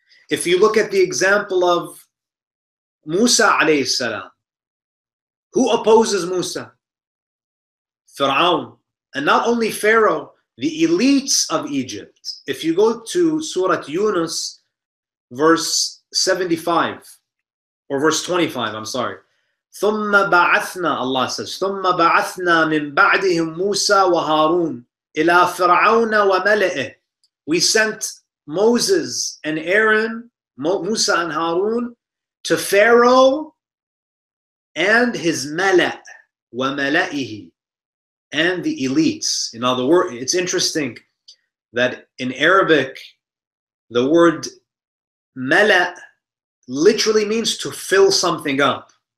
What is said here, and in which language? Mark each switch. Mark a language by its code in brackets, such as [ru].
[en] If you look at the example of Musa alayhi salam, who opposes Musa? Fir'aun. And not only Pharaoh, the elites of Egypt. If you go to Surah Yunus, verse 75, or verse 25, I'm sorry. [ar] ثُمَّ بَعَثْنَا, [en] Allah says, [ar] ثُمَّ بَعَثْنَا مِن بَعْدِهِمْ مُوسَى وَهَارُونَ إِلَىٰ فِرْعَوْنَ وَمَلَئِهِ. [en] We sent Moses and Aaron, Musa and Harun, to Pharaoh and his [ar] مَلَأ وَمَلَئِهِ, [en] and the elites. In other words, it's interesting that in Arabic, the word مَلَأ literally means to fill something up.